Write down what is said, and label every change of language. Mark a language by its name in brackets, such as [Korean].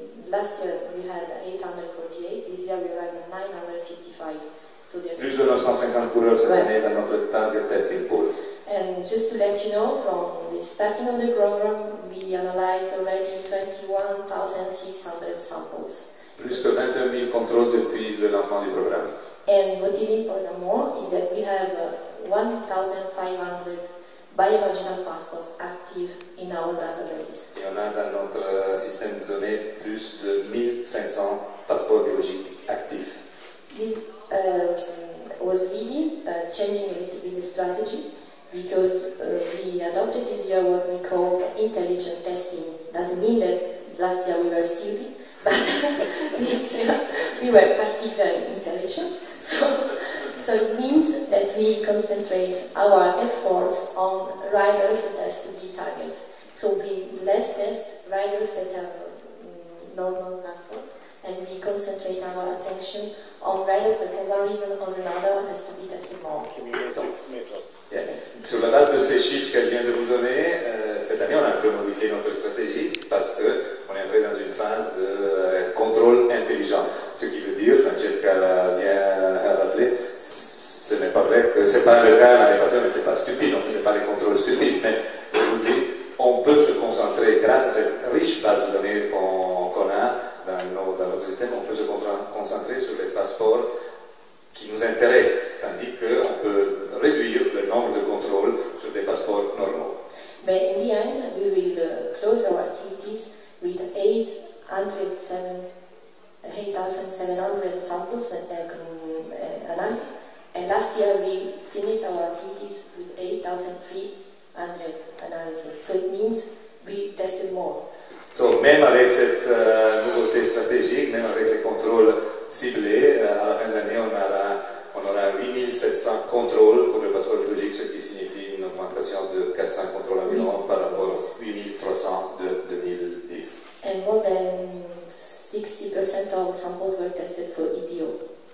[English] Last year we had 848, this year we arrived at 955. So there are 950 [French] coureurs cette année dans notre [English] target testing pool. And just to let you know, from the starting of the program, we analyzed already 21,600 samples. [French] Plus que 21,000 contrôles depuis le lancement du programme. [English] And what is important more is that we have 1,500 biological passports active in our database. [French] Et on a dans notre système de données plus de 1,500 passports biologiques actifs. [English] This was really changing a little bit the strategy, because we adopted this year what we called intelligent testing. Doesn't mean that last year we were stupid, but this year we were particularly intelligent. So it means that we concentrate our efforts on riders that has to be targets. So we less test riders that have normal passport, and we concentrate our attention on riders that for one reason or another has to be tested more. Yes. [French] Sur la base de ces chiffres qu'elle vient de vous donner, cette année on a un peu modifié notre stratégie parce qu'on est entré dans une phase de contrôle intelligent. Ce qui veut dire, Francesca l'a bien rappelé, ce n'est pas vrai que ce n'est pas le cas, l'année passée on n'était pas stupide, on ne faisait pas des contrôles stupides, mais aujourd'hui on peut se concentrer grâce à cette riche base de données qu'on a dans notre système, on peut se concentrer sur les passeports qui nous intéressent, tandis qu'on peut réduire le nombre de contrôles sur des passeports normaux. Mais [English] in the end, we will close our activities with 8,700 samples analysis. And last year we finished our activities with 8,300 analysis. So it means we tested more. [French] So même avec cette nouveauté stratégique, même avec les contrôles ciblés, à la fin de l'année on aura 8,700 contrôles pour le passeport biologique, ce qui signifie une augmentation de 400 contrôles environ par rapport aux 8,300 de 2010. [English] And more than 60% of samples were tested for EBO.